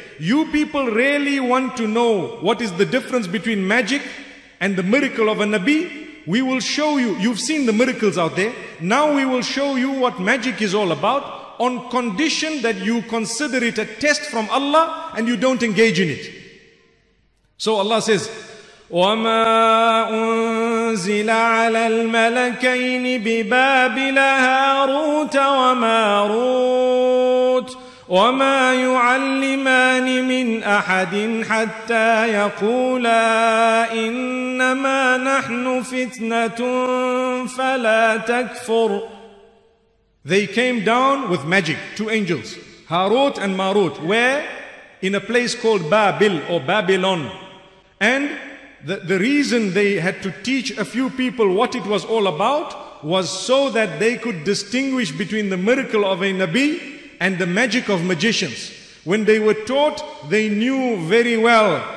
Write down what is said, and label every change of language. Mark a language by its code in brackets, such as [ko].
[en] You people really want to know what is the difference between magic and the miracle of a Nabi? We will show you. You've seen the miracles out there. Now we will show you what magic is all about, on condition that you consider it a test from Allah and you don't engage in it. So Allah says, [ar] وَمَا أُنزِلَ عَلَى الْمَلَكَيْنِ بِبَابِلَ هَارُوتَ وَمَارُوتَ وَمَا يُعَلِّمَانِ مِنْ أَحَدٍ حَتَّى يَقُولَا إِنَّمَا نَحْنُ فِتْنَةٌ فَلَا تَكْفُرْ. [en] They came down with magic, two angels, Harut and Marut, where? In a place called Babil or Babylon. And the reason they had to teach a few people what it was all about was so that they could distinguish between the miracle of a Nabi and the magic of magicians. When they were taught, they knew very well